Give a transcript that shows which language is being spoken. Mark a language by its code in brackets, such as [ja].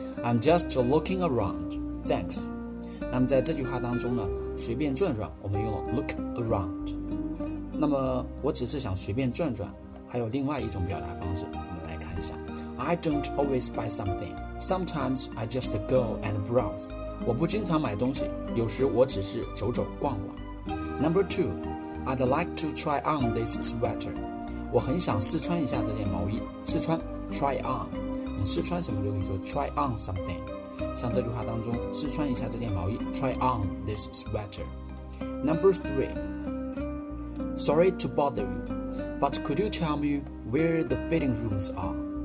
[en] I'm just looking around. Thanks. [zh] 那么在这句话当中呢，随便转转，我们用了 look around。那么我只是想随便转转，还有另外一种表达方式，我们来看一下。 [en] I don't always buy something. Sometimes I just go and browse. [zh] 我不经常买东西，有时我只是走走逛逛。 [en] Number two, I'd like to try on this sweater. [zh] 我很想试穿一下这件毛衣。试穿 try on， 你试穿什么就可以说 try on something。像这句话当中试穿一下这件毛衣 [en] Try on this sweater Number three Sorry to bother you But could you tell me where the fitting rooms are?